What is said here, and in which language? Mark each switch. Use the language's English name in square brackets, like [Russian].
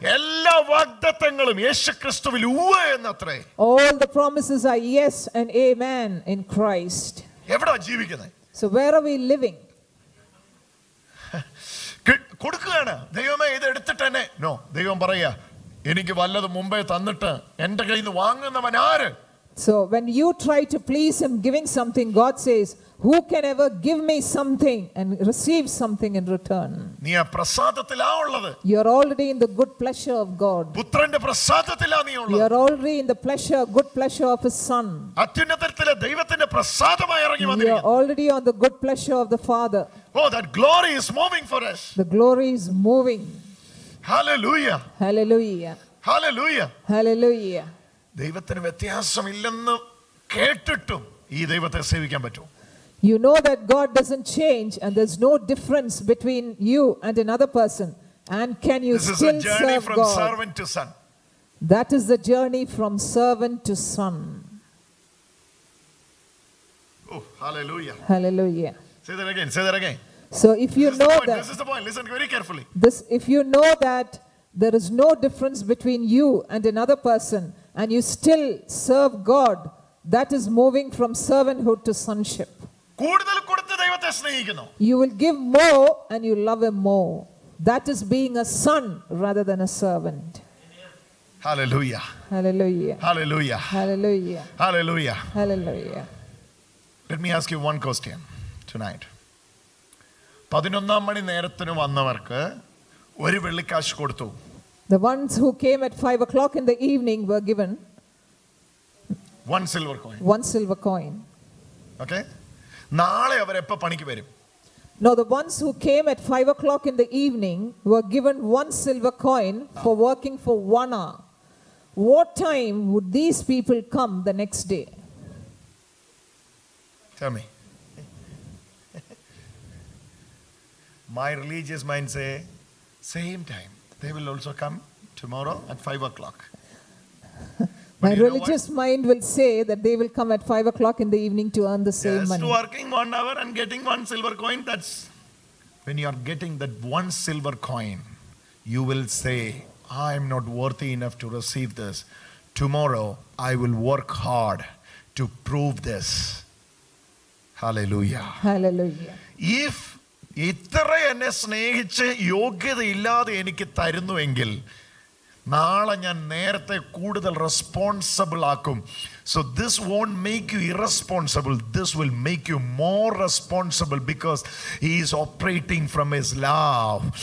[Malayalam] എല്ലാ വാഗ്ദത്തങ്ങളും യേശുക്രിസ്തുവിൽ ഉവ്വ് എന്നത്രേ. [English] All the promises are yes and amen in Christ. [Malayalam] എവിടാ ജീവിക്കുന്നത്? [English] So where are we living? [Malayalam] കൊടുക്കുകയാണ് ദൈവമേ ഇത് എടുത്തിട്ട് തന്നെ. നോ, ദൈവം പറയാ, എനിക്ക് വല്ലത് മുമ്പേ തന്നിട്ട് എന്റെ കയ്യിൽ നിന്ന് വാങ്ങുന്നവൻ ആര്? [English] So when you try to please him giving something, God says, who can ever give me something and receive something in return? [Malayalam] നീ പ്രസാദത്തിലാ ഉള്ളത്. [English] You are already in the good pleasure of God. [Malayalam] പുത്രന്റെ പ്രസാദത്തിലാ നീ ഉള്ളത്. [English] You are already in the pleasure, good pleasure of his son. [Malayalam] അത്യുന്നതത്തിലെ ദൈവത്തിന്റെ പ്രസാദമായി ഇറങ്ങി വന്നിരിക്കുന്നു. [English] You are already on the good pleasure of the father. Oh, that glory is moving for us. The glory is moving. Hallelujah. Hallelujah. Hallelujah. Hallelujah. [Malayalam] ദൈവത്തിന് വ്യത്യാസം ഇല്ലെന്ന് കേട്ടിട്ടും ഈ ദൈവത്തെ സേവിക്കാൻ പറ്റും. [English] You know that God doesn't change and there's no difference between you and another person. And can you this still serve God? This is a journey from servant to son. That is the journey from servant to son. Oh, hallelujah. Hallelujah. Say that again. Say that again. So if you know that... This is the point. Listen very carefully. This, if you know that there is no difference between you and another person and you still serve God, that is moving from servanthood to sonship. [Malayalam] കൂടുതൽ കൊടുത്ത് ദൈവത്തെ സ്നേഹിക്കുന്നു. [English] You will give more and you love him more. That is being a son rather than a servant. Hallelujah. Hallelujah. Hallelujah. Hallelujah. Hallelujah. Hallelujah. Let me ask you one question tonight. [Malayalam] 11 മണി നേരത്തിന് വന്നവർക്ക് ഒരു വെള്ളിക്കാശ് കൊടുത്തു. [English] The ones who came at 5 o'clock in the evening were given one silver coin. One silver coin. [Malayalam] Okay? നാളെ അവരെപ്പ പണിക്ക് വരും. [English] Now the ones who came at 5 o'clock in the evening were given one silver coin for working for 1 hour. What time would these people come the next day? Tell me. My religious mind say same time. They will also come tomorrow at 5 o'clock. My religious mind will say that they will come at 5 o'clock in the evening to earn the same money. Just working 1 hour and getting one silver coin, that's... When you are getting that one silver coin, you will say, I'm not worthy enough to receive this. Tomorrow, I will work hard to prove this. Hallelujah. Hallelujah. [Malayalam] If ഇത്ര എന്നെ സ്നേഹിച്ച് യോഗ്യത ഇല്ലാതെ എനിക്ക് തരുന്നുവെങ്കിൽ നാളെ ഞാൻ നേരത്തെ കൂടുതൽ റെസ്പോൺസിബിൾ ആക്കും. [English] So this won't make you irresponsible, this will make you more responsible, because he is operating from his love.